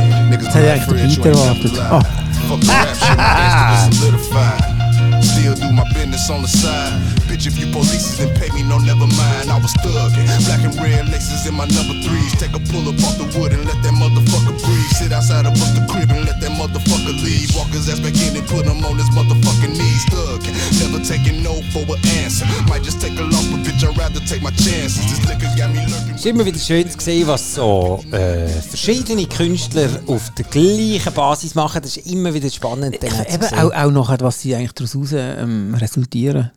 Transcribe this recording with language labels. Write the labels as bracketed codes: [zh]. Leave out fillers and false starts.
[de] Jetzt hat er eigentlich den Beat erwartet. [en] Still do my business on the side. Bitch, if you police then pay me, no, never mind. I was thugging. Black and red laces in my number threes. Take a pull up off the wood and let that motherfucker breathe. Sit outside of the crib and let that motherfucker leave. Walk his ass back in and put him on his motherfucking knees. Thugging. Never taking no for an answer. Might just take a loss, but bitch, I'd rather take my chances. This liquor's got me lurking. [de] Es ist immer wieder schön zu sehen, was so verschiedene Künstler auf der gleichen Basis machen. Das ist immer wieder spannend. Eben auch noch, was sie eigentlich daraus aus resultieren.